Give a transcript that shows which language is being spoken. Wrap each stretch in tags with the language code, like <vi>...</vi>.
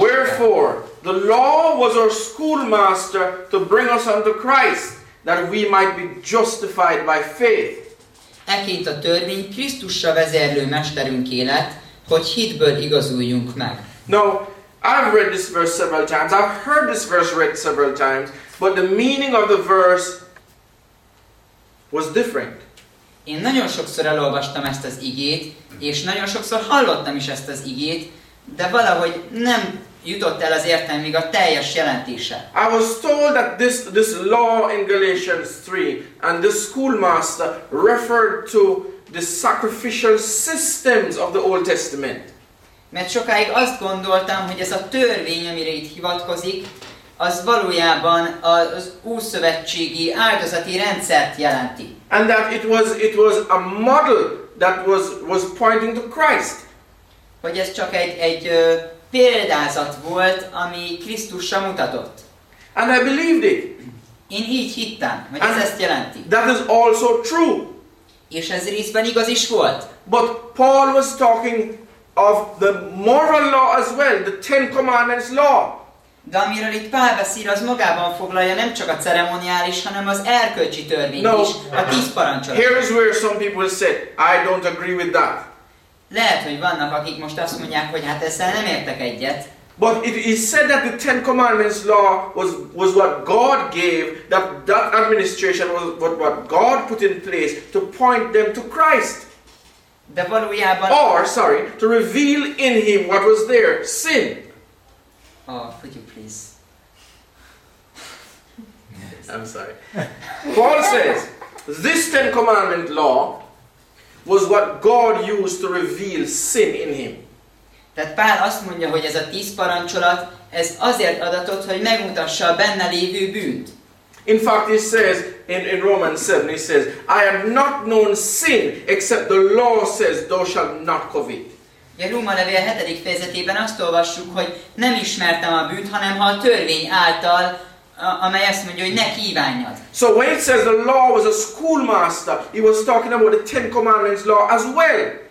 <en>Wherefore the law was our schoolmaster to bring us unto Christ, that we might be justified by faith.</en> <hu>Eként a törvény Krisztussal vezérlő mesterünk élet, hogy hitből igazuljunk meg.</hu> <en>Now, I've read this verse several times, I've heard this verse read several times, but the meaning of the verse was different.</en> <hu>Én nagyon sokszor elolvastam ezt az igét, és nagyon sokszor hallottam is ezt az igét, de valahogy nem jutott el az értelmig a teljes jelentése.</hu> <en>I was told that this law in Galatians 3 and the schoolmaster referred to the sacrificial systems of the Old Testament.</en> <hu>Mert sokáig azt gondoltam, hogy ez a törvény, amire itt hivatkozik, az valójában az újszövetségi áldozati rendszert jelenti.</hu> <en>And that it was a model that was pointing to Christ.</en> <hu>Hogy ez csak egy példázat volt, ami Krisztusra mutatott.</hu> <en>And I believed it.</en> <hu>Én így hittem, hogy ez ezt jelenti.</hu> <en>That is also true.</en> <hu>És ez részben igaz is volt.</hu> <en>But Paul was talking of the moral law as well, the Ten Commandments law.</en> <hu>De amiről itt Pál beszél, az magában foglalja nem csak a ceremoniális, hanem az erkölcsi törvény is, a tíz parancsolat.</hu> <en>Here is where some people said, I don't agree with that.</en> <hu>Lehet, hogy vannak, akik most azt mondják, hogy hát ezzel nem értek egyet.</hu> <en>But it said that the Ten Commandments law was what God gave, that administration was what God put in place to point them to Christ.</en> <hu>De valójában...</hu> <en>To reveal in him what was there, sin. Oh, could you please? I'm sorry. Paul says, this Ten Commandment law was what God used to reveal sin in him.</en> <hu>Tehát Pál azt mondja, hogy ez a tíz parancsolat, ez azért adatott, hogy megmutassa a benne lévő bűnt.</hu> <en>In fact, he says in Romans 7, he says, I have not known sin except the law says thou shalt not covet.</en> <hu>A Róma levél 7. fejezetében azt olvassuk, hogy nem ismertem a bűnt, hanem ha a törvény által, amely ezt mondja, hogy ne kívánjad.</hu> <en>So when it says the law was a schoolmaster, he was talking about the Ten Commandments law as well.</en>